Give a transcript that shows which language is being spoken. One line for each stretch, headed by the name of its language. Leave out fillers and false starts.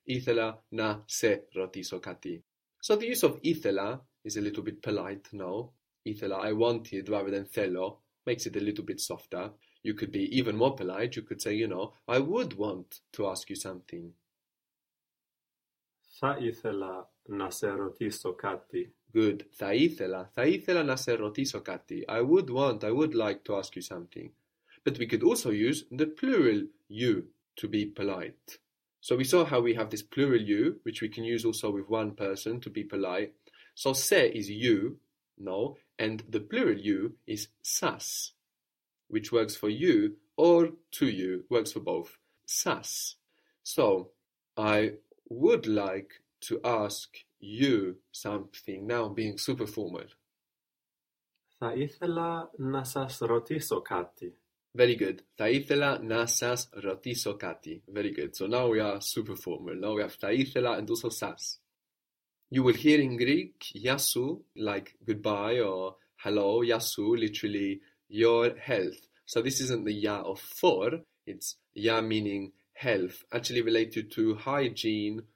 Greek: Ithela na se rotiso kati.
English: So the use of ithela is a little bit polite, no? Ithela, I wanted rather than thelo, makes it a little bit softer. You could be even more polite. You could say, you know, I would want to ask you something.
Greek: Θα ήθελα να σε ρωτήσω κάτι.
English: Good.
Greek: Θα ήθελα να σε ρωτήσω κάτι.
English: I would like to ask you something. But we could also use the plural you to be polite. So we saw how we have this plural you, which we can use also with one person to be polite. So se is you, no, and the plural you is sas, which works for you or to you, works for both. Sas. So I would like to ask you something now, being super formal.
Greek: Θα ήθελα να σας ρωτήσω κάτι.
English: Very good.
Greek: Θα ήθελα να σας ρωτήσω κάτι.
English: Very good. So now we are super formal. Now we have
Greek: θα ήθελα
English: and also σας. You will hear in Greek γιάσου, like goodbye or hello, γιάσου, literally your health. So this isn't the ya of for, it's ya meaning health, actually related to hygiene.